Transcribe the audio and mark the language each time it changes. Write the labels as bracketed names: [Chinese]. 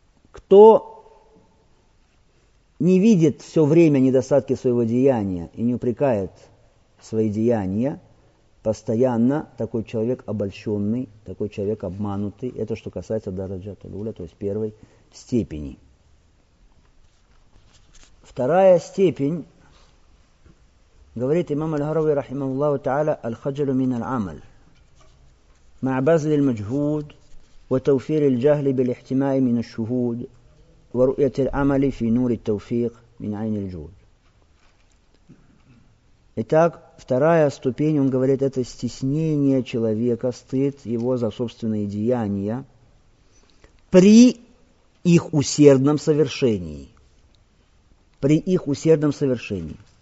[Russian] Кто не видит все время недостатки своего деяния и не упрекает свои деяния, постоянно такой человек обольщенный, такой человек обманутый. Это что касается [Arabic] дараджат-ль-уля, [Russian] то есть первой степени. Вторая степень, говорит имам аль-Гарави, [Arabic] рахималлаху та'аля, аль-хаджалу мин аль-амаль. Ма'абазли аль-маджхуд. وتوفير الجهل بالاحتماء من الشهود ورؤية العمل في نور التوفيق من عين الجود. [Russian] Итак, вторая ступень, он говорит, это стеснение человека, стыд его за собственные деяния при их усердном совершении. При их усердном совершении.